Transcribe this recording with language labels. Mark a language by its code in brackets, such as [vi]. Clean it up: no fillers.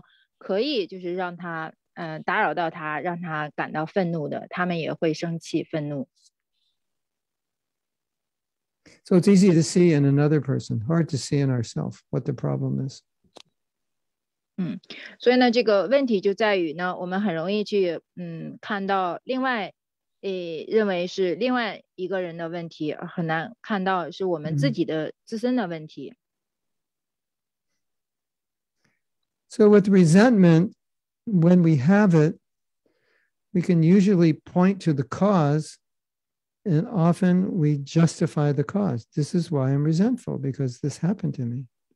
[zh] 你们大家有没有遇见过一些人特别容易就是愤怒、暴躁，就是即便是就是看起来是没有任何事情可以就是让他。打扰到他，让他感到愤怒的，他们也会生气愤怒。 [en] So it's easy to see in another person, hard to see in ourselves what the problem is. [zh] 所以呢，这个问题就在于呢，我们很容易去看到另外，认为是另外一个人的问题，很难看到是我们自己的自身的问题。 [en] So with resentment. When we have it, we can usually point to the cause, and often we justify the cause. This is why I'm resentful, because this happened to me.